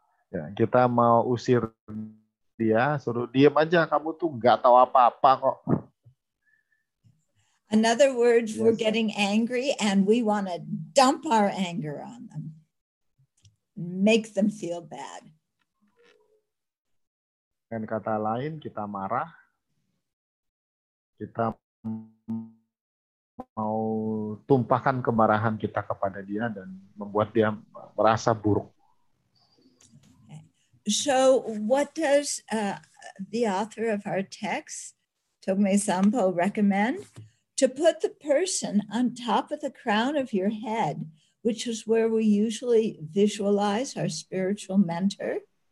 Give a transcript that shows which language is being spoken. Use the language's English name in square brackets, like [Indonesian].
[Indonesian] Ya, kita mau usir dia, suruh diam aja, kamu tuh enggak tahu apa-apa kok. [English] In other words, we're getting angry and we want to dump our anger on them. Make them feel bad. [Indonesian] Dengan kata lain, kita marah, kita mau tumpahkan kemarahan kita kepada dia dan membuat dia merasa buruk. [English] So, what does the author of our text, Togme Sampo, recommend? To put the person on top of the crown of your head, which is where we usually visualize our spiritual mentor.